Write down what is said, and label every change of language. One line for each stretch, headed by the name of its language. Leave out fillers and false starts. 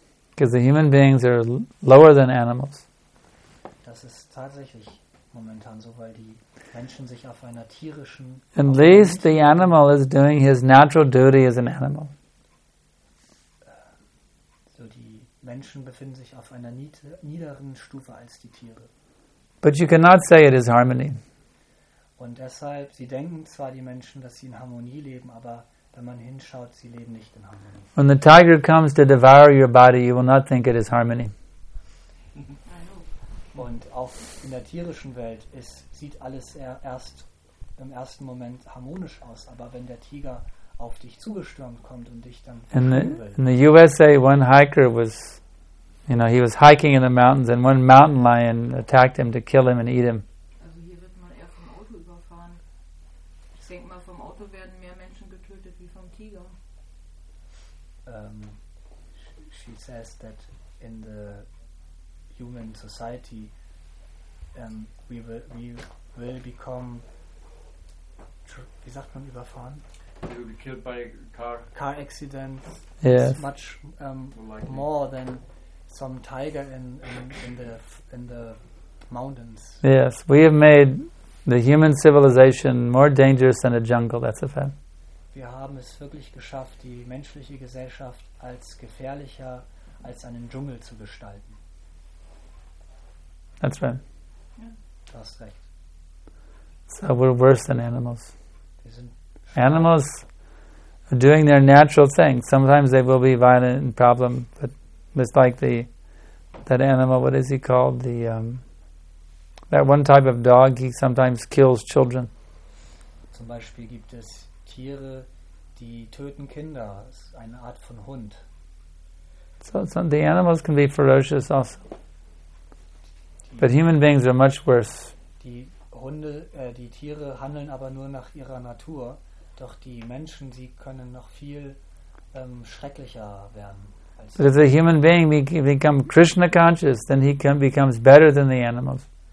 English: Because the human beings are lower than animals.
German: Das ist tatsächlich momentan so, weil die Menschen sich auf einer tierischen...
English: At least the animal is doing his natural duty as an animal.
German: Menschen befinden sich auf einer niederen Stufe als die Tiere.
English: But you cannot say it is harmony.
German: Und deshalb, sie denken zwar die Menschen, dass sie in Harmonie leben, aber wenn man hinschaut, sie leben nicht in Harmonie.
English: When the tiger comes to devour your body, you will not think it is harmony.
German: Und auch in der tierischen Welt, es sieht alles erst im ersten Moment harmonisch aus, aber wenn der Tiger auf dich zugestürmt kommt und dich dann
English: in the USA, one hiker was, you know, he was hiking in the mountains and one mountain lion attacked him to kill him and eat him.
German: Also hier wird man eher vom Auto überfahren. Ich denke mal, vom Auto werden mehr Menschen getötet wie vom Tiger.
English: She says that in the human society we will become,
German: wie sagt man, überfahren?
English: You will be killed by a car accident. Yes. Much more than some tiger in the mountains. Yes, we have made the human civilization more dangerous than a jungle. That's a fact.
German: Wir haben es wirklich geschafft, die menschliche Gesellschaft als gefährlicher als einen Dschungel zu gestalten.
English: That's right.
German: Du hast recht.
English: So we're worse than animals.
German: Wir sind
English: animals are doing their natural thing. Sometimes they will be violent and problem, but it's like the that animal, what is he called? The that one type of dog, he sometimes kills children.
German: Zum Beispiel gibt es Tiere, die töten Kinder. Das ist eine Art von Hund.
English: So the animals can be ferocious also. But human beings are much worse.
German: Die Hunde, die Tiere handeln aber nur nach ihrer Natur. Doch die Menschen, sie können noch viel schrecklicher werden.
English: But if a human being become Krishna conscious, then he becomes better than the animals.